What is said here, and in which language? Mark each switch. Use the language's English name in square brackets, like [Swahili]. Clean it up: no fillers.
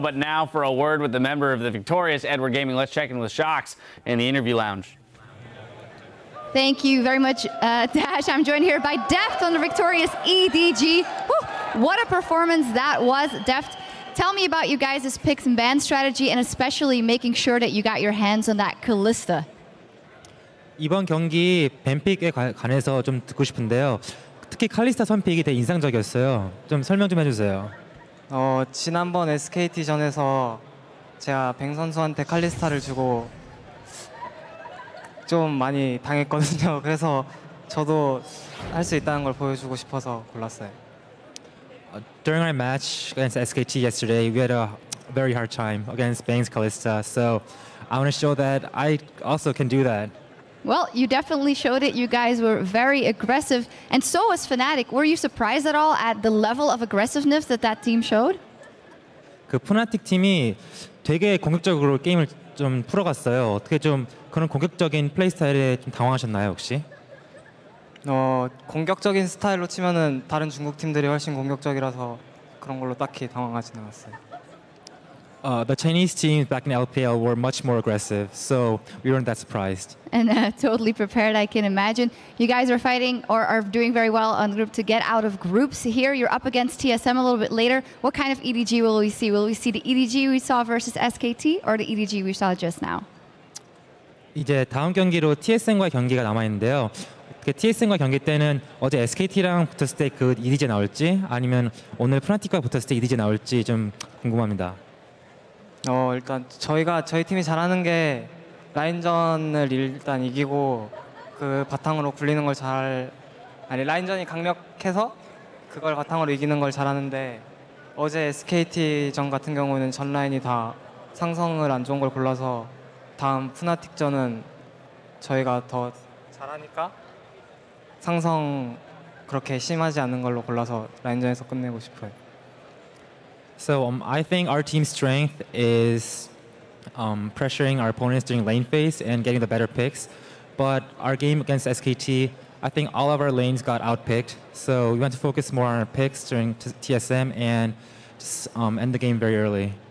[English] But now for a word with the member of the victorious Edward Gaming. Let's check in with Shox in the interview lounge. Thank you very much, Dash. I'm joined here by Deft on the victorious EDG. Woo! What a performance that was, Deft. Tell me about you guys' picks and ban strategy, and especially making sure that you got your hands on that Kalista. [Korean] 이번 경기 밴픽에 관해서 좀 듣고 싶은데요. 특히 칼리스타 선픽이 되게 인상적이었어요. 좀 설명 좀 해주세요. 지난번 SKT전에서 제가 뱅 선수한테 칼리스타를 주고 좀 많이 당했거든요. 그래서 저도 할 수 있다는 걸 보여주고 싶어서 골랐어요. [English] During our match against SKT yesterday, we had a very hard time against Bang's Kalista. So I want to show that I also can do that. Well, you definitely showed it. You guys were very aggressive, and so was Fnatic. Were you surprised at all at the level of aggressiveness that that team showed? [Korean] 그 Fnatic 팀이 되게 공격적으로 게임을 좀 풀어갔어요. 어떻게 좀 그런 공격적인 플레이 스타일에 좀 당황하셨나요, 혹시? 공격적인 스타일로 치면은 다른 중국 팀들이 훨씬 공격적이라서 그런 걸로 딱히 당황하진 않았어요. [English] The Chinese teams back in LPL were much more aggressive, so we weren't that surprised. And totally prepared, I can imagine. You guys are fighting or are doing very well on the group to get out of groups here. You're up against TSM a little bit later. What kind of EDG will we see? Will we see the EDG we saw versus SKT or the EDG we saw just now? [Korean] 이제 다음 경기로 TSM과 경기가 남아있는데요. 그 TSM과 경기 때는 어제 SKT랑 붙었을 때 그 EDG 나올지 아니면 오늘 Fnatic과 붙었을 때 EDG 나올지 좀 궁금합니다. 일단 저희 팀이 잘하는 게 라인전을 일단 이기고 그 바탕으로 굴리는 걸 잘 아니 라인전이 강력해서 그걸 바탕으로 이기는 걸 잘하는데 어제 SKT전 같은 경우는 전 라인이 다 상성을 안 좋은 걸 골라서 다음 Fnatic전은 저희가 더 잘하니까 상성 그렇게 심하지 않은 걸로 골라서 라인전에서 끝내고 싶어요. [English] So I think our team's strength is pressuring our opponents during lane phase and getting the better picks. But our game against SKT, I think all of our lanes got outpicked. So we want to focus more on our picks during TSM and just end the game very early.